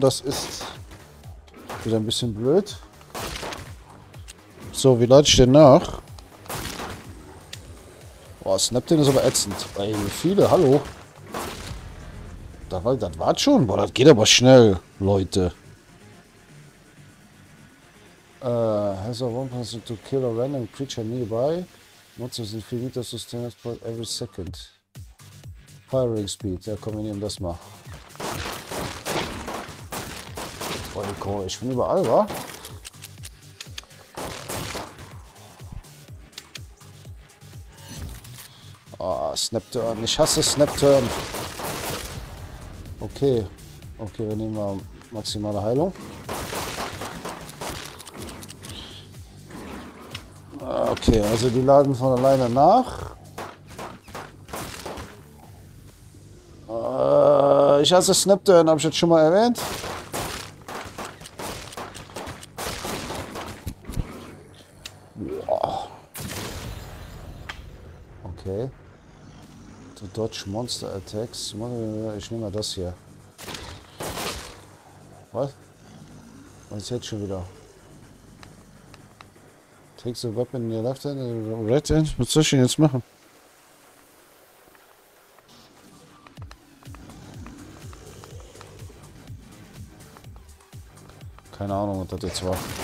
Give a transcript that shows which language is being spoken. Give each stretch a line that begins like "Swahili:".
German: Das ist wieder ein bisschen blöd. So, wie leite ich denn nach? Boah, Snapdin ist aber ätzend. Ey, wie viele? Hallo? Das war's schon? Boah, das geht aber schnell, Leute.
English: Has a 1% to kill a random creature nearby. Monsters in 4 meters sustain us for every second. Firing speed.
German: Ja, komm, wir nehmen das mal. Boah, komm, ich bin überall, wa? Snapturn, ich hasse Snapturn. Okay, wir nehmen mal maximale Heilung. Okay, also die laden von alleine nach. Ich hasse Snapturn, habe ich jetzt schon mal erwähnt. Okay.
English: Dodge Monster Attacks.
German: Ich nehme mal das hier. Was? Was ist jetzt schon wieder?
English: Take the weapon in your left hand and right hand.
German: Was soll ich denn jetzt machen? Keine Ahnung, was das jetzt war.